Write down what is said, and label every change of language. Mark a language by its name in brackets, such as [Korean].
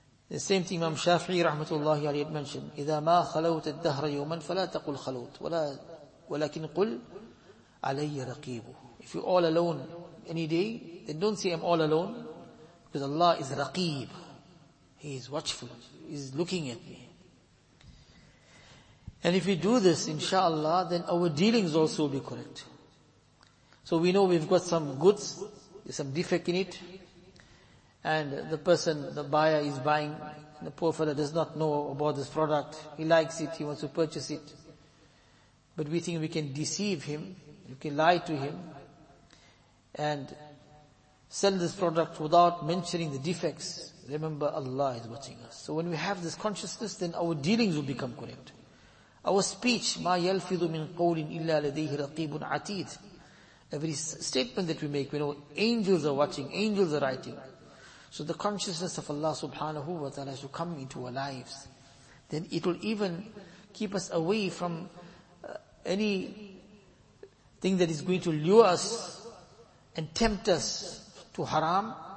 [English] The same thing Imam Shafi'i rahmatullahi alayhi had mentioned, [Arabic] إِذَا مَا خَلَوْتَ الدَّهْرَ يَوْمًا فَلَا تَقُلْ خَلَوْتَ وَلَا وَلَكِنْ قُلْ عَلَيَّ رَقِيبُ. [English] If you're all alone any day, then don't say I'm all alone, because Allah is raqib. He is watchful. He is looking at me. And if we do this, inshallah, then our dealings also will be correct. So we know we've got some goods, some defect in it, and the person, the buyer is buying, the poor fellow does not know about this product, he likes it, he wants to purchase it, but we think we can deceive him, we can lie to him, and sell this product without mentioning the defects. Remember, Allah is watching us. So when we have this consciousness, then our dealings will become correct. Our speech, [Arabic] ما يلفظ من قول إلا لديه رقيب عتيد. [English] Every statement that we make, we know angels are watching, angels are writing. So the consciousness of Allah subhanahu wa ta'ala has to come into our lives. Then it will even keep us away from any thing that is going to lure us and tempt us to haram.